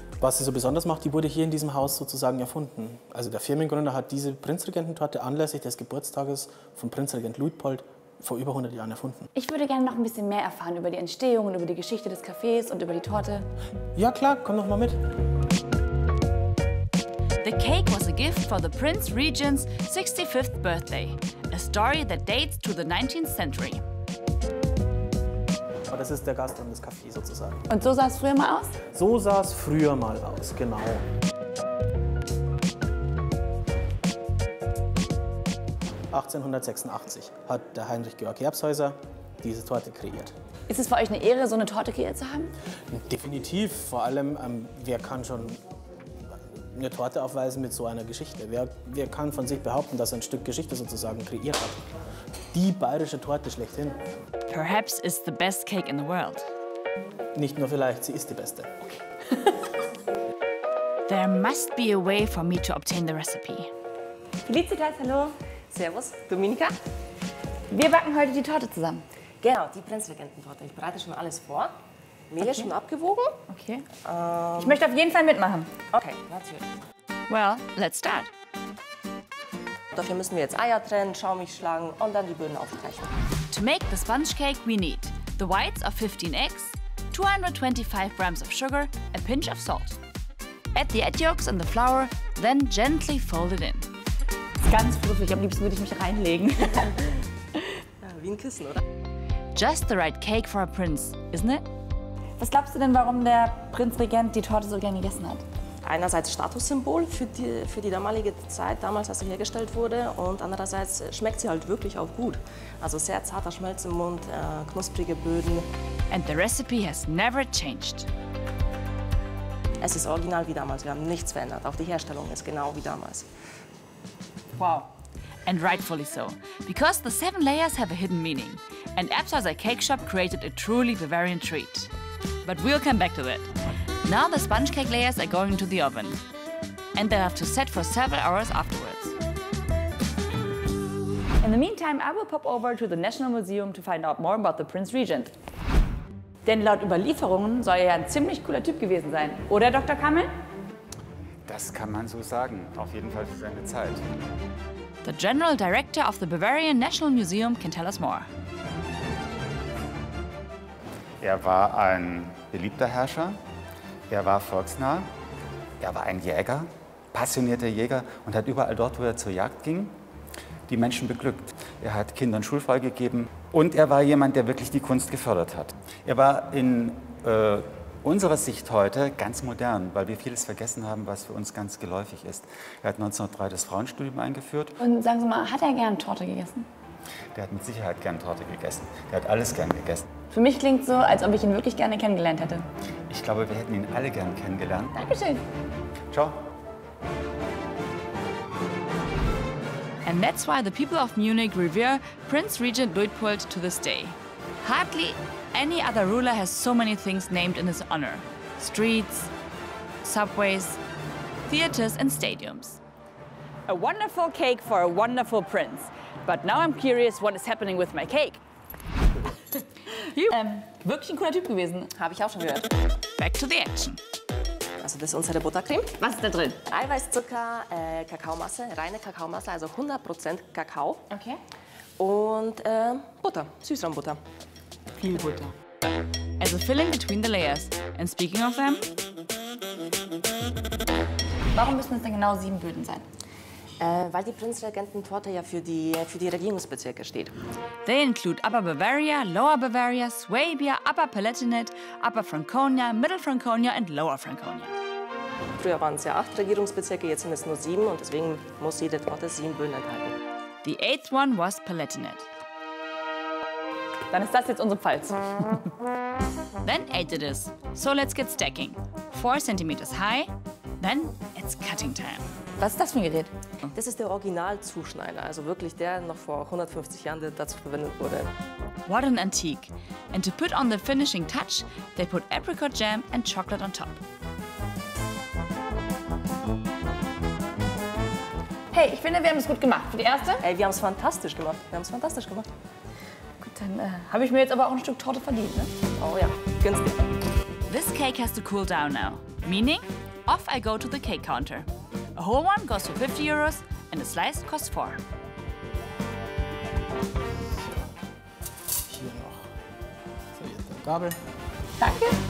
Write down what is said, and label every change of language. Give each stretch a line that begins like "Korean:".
German: Was sie so besonders macht, die wurde hier in diesem Haus sozusagen erfunden. Also der Firmengründer hat diese Prinzregententorte anlässlich des Geburtstages von Prinzregent Luitpold vor über 100 Jahren erfunden. Ich würde gerne noch ein bisschen mehr erfahren über die Entstehung und über die Geschichte des Cafés und über die Torte. Ja klar, komm doch mal mit.
English: The cake was a gift for the Prince Regent's 65th birthday. A story that dates to the 19th century.
German: Das ist der Gastraum des Cafés sozusagen. Und so sah es früher mal aus? So sah es früher mal aus, genau. '1886 hat der Heinrich Georg Erbshäuser diese Torte kreiert. Ist es für euch eine Ehre, so eine Torte kreiert zu haben? Definitiv. Vor allem, wer kann schon eine Torte aufweisen mit so einer Geschichte? Wer kann von sich behaupten, dass er ein Stück Geschichte sozusagen kreiert hat? Die bayerische Torte schlechthin.
English: Perhaps it's the best cake in the world.
German: Nicht nur vielleicht, sie ist die beste. Okay.
English: There must be a way for me to obtain the recipe.
German: Felicitas, hallo. Servus, Dominika. Wir backen heute die Torte zusammen. Genau, die Prinzregententorte. Ich bereite schon alles vor. Mehl ist schon abgewogen. Okay. Ich möchte auf jeden Fall mitmachen. Okay, natürlich.
English: Well, let's start.
German: Dafür müssen wir jetzt Eier trennen, Schaumig schlagen und dann die Böden aufbrechen.
English: To make the sponge cake, we need the whites of 15 eggs, 225 grams of sugar, a pinch of salt. Add the egg yolks and the flour, then gently fold it in.
German: Das ist ganz fluffig. Am liebsten würde ich mich reinlegen. Wie ein Kissen, oder?
English: Just the right cake for a prince, isn't it?
German: Was glaubst du denn, warum der Prinzregent die Torte so gerne gegessen hat? Einerseits Statussymbol für die damalige Zeit, damals, als sie hergestellt wurde. Und andererseits schmeckt sie halt wirklich auch gut. Also sehr zarter Schmelz im Mund, knusprige Böden.
English: And the recipe has never changed.
German: Es ist original wie damals, wir haben nichts verändert. Auch die Herstellung ist genau wie damals. Wow.
English: And rightfully so. Because the seven layers have a hidden meaning. And Erbshäuser Cake Shop created a truly Bavarian treat. But we'll come back to that. Now the sponge cake layers are going to the oven. And they'll have to set for several hours afterwards. In the meantime, I will pop over to the National Museum to find out more about the Prince Regent.
German: Denn laut Überlieferungen soll er ja ein ziemlich cooler Typ gewesen sein, oder Dr. Kamel? Das kann man so sagen, auf jeden Fall für seine Zeit.
English: The General Director of the Bavarian National Museum can tell us more.
German: Er war ein beliebter Herrscher, er war volksnah, er war ein Jäger, passionierter Jäger und hat überall dort, wo er zur Jagd ging, die Menschen beglückt. Er hat Kindern Schulfrei gegeben und er war jemand, der wirklich die Kunst gefördert hat. Er war in unserer Sicht heute ganz modern, weil wir vieles vergessen haben, was für uns ganz geläufig ist. Er hat 1903 das Frauenstudium eingeführt. Und sagen Sie mal, hat er gern Torte gegessen? Der hat mit Sicherheit gern Torte gegessen. Der hat alles gern gegessen. Für mich klingt so, als ob ich ihn wirklich gerne kennengelernt hätte. Ich glaube, wir hätten ihn alle gern kennengelernt. Dankeschön. Ciao.
English: And that's why the people of Munich revere Prince Regent Luitpold to this day. Hardly any other ruler has so many things named in his honor. Streets, subways, theaters and stadiums. A wonderful cake for a wonderful prince. But now I'm curious what is happening with my cake.
German: Wirklich ein cooler Typ gewesen, habe ich auch schon gehört.
English: Back to the action.
German: Also das ist unsere Buttercreme. Was ist da drin? Eiweiß, Zucker, Kakaomasse, reine Kakaomasse, also 100% Kakao. Okay. Und Butter, Süßraumbutter. Viel Butter.
English: As a filling between the layers. And speaking of them.
German: Warum müssen es denn genau 7 Böden sein? Weil die Prinzregententorte ja für die Regierungsbezirke steht.
English: They include Upper Bavaria, Lower Bavaria, Swabia, Upper Palatinate, Upper Franconia, Middle Franconia und Lower Franconia.
German: Früher waren es ja 8 Regierungsbezirke, jetzt sind es nur 7 und deswegen muss jede Torte 7 Böden enthalten.
English: The 8th one was Palatinate.
German: Dann ist das jetzt unsere Pfalz.
English: Then 8 it is. So let's get stacking. 4 cm high, then it's cutting time.
German: Was ist das für ein Gerät? Das ist der Originalzuschneider, also wirklich der noch vor 150 Jahren, der dazu verwendet wurde.
English: What an antique. And to put on the finishing touch, they put apricot jam and chocolate on top.
German: Hey, ich finde, wir haben es gut gemacht. Für die erste? Ey, wir haben es fantastisch gemacht. Wir haben es fantastisch gemacht. Gut, dann habe ich mir jetzt aber auch ein Stück Torte verdient, ne? Oh ja, günstig.
English: This cake has to cool down now. Meaning, off I go to the cake counter. A whole one goes for 50 euros and a slice costs 4.
German: So, hier noch. So, jetzt eine Gabel. Danke.